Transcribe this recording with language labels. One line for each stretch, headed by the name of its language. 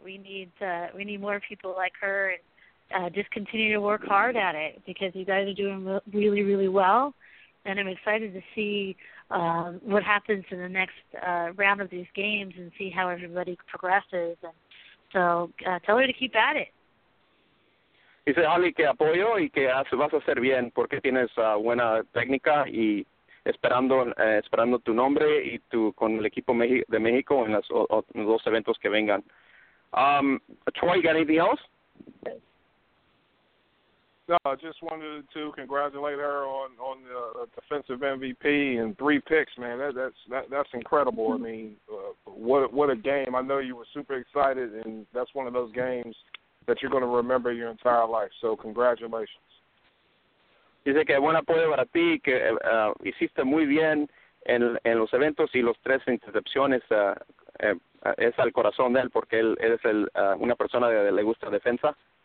English: We need more people like her and just continue to work hard at it because you guys are doing really, really well. And I'm excited to see what happens in the next round of these games and see how everybody progresses. And so tell her to keep at it.
Spanish: Dice Holly que apoyo y que vas a hacer bien porque tienes buena técnica y esperando tu nombre y tu con el equipo de México en los dos eventos que vengan.
English: Troy, you got anything else? No, I just wanted to congratulate her on the defensive MVP and three picks, man. That's incredible. I mean, what a game. I know you were super excited, and that's one of those games that you're going to remember your entire life. So congratulations.
Spanish: Dice que buen apoyo para ti, que hiciste muy bien en los eventos y los tres intercepciones es al corazón de él porque él es una persona que le gusta defensa.